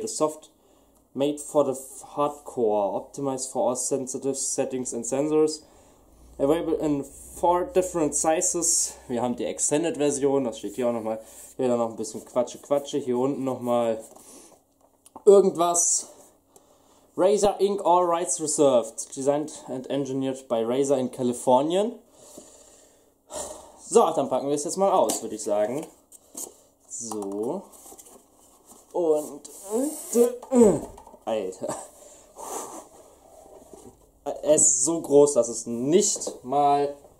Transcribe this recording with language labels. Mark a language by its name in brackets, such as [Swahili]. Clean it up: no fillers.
[English] The soft made for the hardcore. Optimized for all sensitive settings and sensors. Available in 4 different sizes. [German] Wir haben die Extended Version. Das steht hier auch nochmal. Hier dann noch ein bisschen Quatsche. Hier unten nochmal irgendwas. [English] Razer Inc. All Rights Reserved. Designed and engineered by Razer in Kalifornien. [German] So, dann packen wir es jetzt mal aus, würde ich sagen. So. Und. Alter. Es ist so groß, dass es nicht mal.